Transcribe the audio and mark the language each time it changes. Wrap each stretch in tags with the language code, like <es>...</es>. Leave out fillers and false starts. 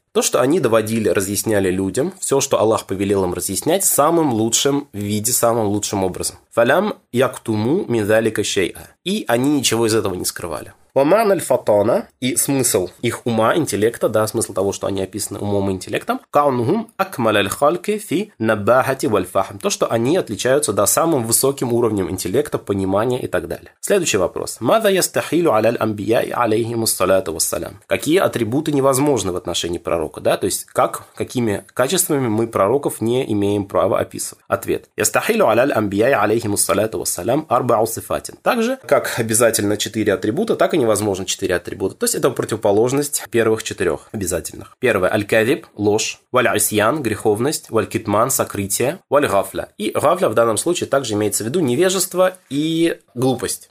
<ru>То, что они доводили, разъясняли людям, все, что Аллах повелел им разъяснять, самым лучшим в виде, самым лучшим образом.</ru> <ar>Фалям яктуму миндалика шейа.</ar> <ru>И они ничего из этого не скрывали.</ru> <ar>ومعنى الفطانة</ar> <ru>и смысл их ума, интеллекта, да, смысл того, что они описаны умом и интеллектом,</ru> <ar>كونهم أكمل الخلق في نباهة والفهم,</ar> <ru>то, что они отличаются, да, самым высоким уровнем интеллекта, понимания и так далее. Следующий вопрос.</ru> <ar>ماذا يستحيل على الأنبياء عليهم الصلاة والسلام?</ar> <ru>Какие атрибуты невозможны в отношении пророка, да, то есть как, какими качествами мы пророков не имеем права описывать? Ответ.</ru> <ar>يستحيل على الأنبياء عليهم الصلاة والسلام أربع صفات.</ar> <ru>Также, как обязательно четыре атрибута, так и невозможно четыре атрибута. То есть это противоположность первых четырех обязательных. Первое. Аль-Кадиб – ложь. Валь-Исьян – греховность. Валь-Китман – сокрытие. Валь-Гафля. И Гафля в данном случае также имеется в виду невежество и глупость.</ru>